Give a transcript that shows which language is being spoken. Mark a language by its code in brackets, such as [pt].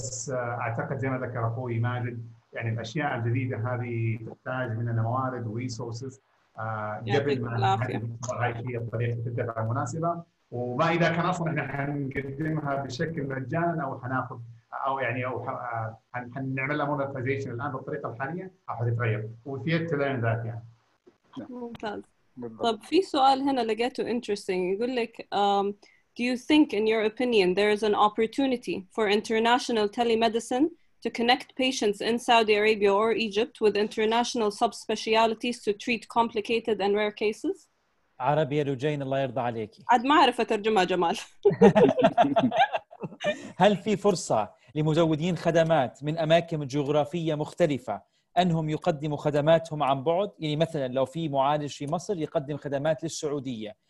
[ar] أعتقد زي ما ذكر أخوي ماجد يعني الأشياء الجديدة هذه تحتاج مننا موارد resources قبل ما هذه الطريقة تدفع المناسبة، وما إذا كان أصلا إحنا هنقدمها بشكل مجانا أو حناخذ أو يعني أو هنعملها مونتيزيشن الآن بالطريقة الحالية أو حتتغير وفي التلين ذات يعني. ممتاز. طب في سؤال هنا لقيته [en] interesting، [ar] يقول لك [en] do you think in your opinion there is an opportunity for international telemedicine to connect patients in Saudi Arabia or Egypt with international subspecialties to treat complicated and rare cases؟ [ar] عربي يا لجين الله يرضى عليكي. عاد ما عرف أترجمها جمال. هل في فرصة لمزودين خدمات من أماكن جغرافية مختلفة أنهم يقدموا خدماتهم عن بعد؟ يعني مثلا لو في معالج في مصر يقدم خدمات للسعودية،